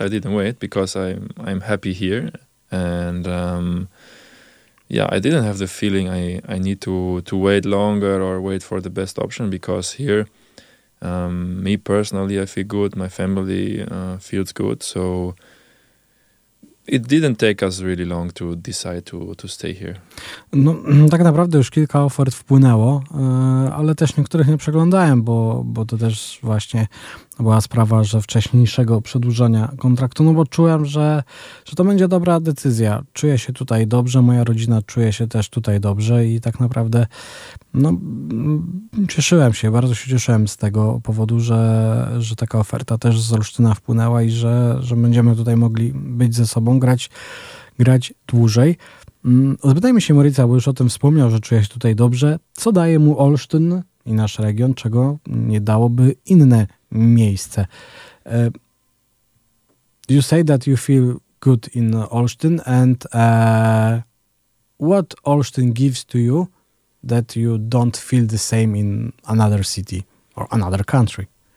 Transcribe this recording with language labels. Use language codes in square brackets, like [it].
[en] I didn't wait because I'm happy here. And I didn't have the feeling I need to wait longer or wait for the best option, because here, me personally, I feel good. My family feels good. So it didn't take us really long to decide to stay here. [pl] No, tak naprawdę już kilka ofert wpłynęło, ale też niektórych nie przeglądałem, bo to też właśnie była sprawa, że wcześniejszego przedłużenia kontraktu, no bo czułem, że to będzie dobra decyzja. Czuję się tutaj dobrze, moja rodzina czuje się też tutaj dobrze i tak naprawdę no, cieszyłem się, bardzo się cieszyłem z tego powodu, że taka oferta też z Olsztyna wpłynęła i że będziemy tutaj mogli być ze sobą, grać dłużej. Zapytajmy się Moritza, bo już o tym wspomniał, że czuje się tutaj dobrze. Co daje mu Olsztyn i nasz region, czego nie dałoby inne miejsce? [en] You say that you feel good in Olsztyn, and what Olsztyn gives to you that you don't feel the same in another city or another country?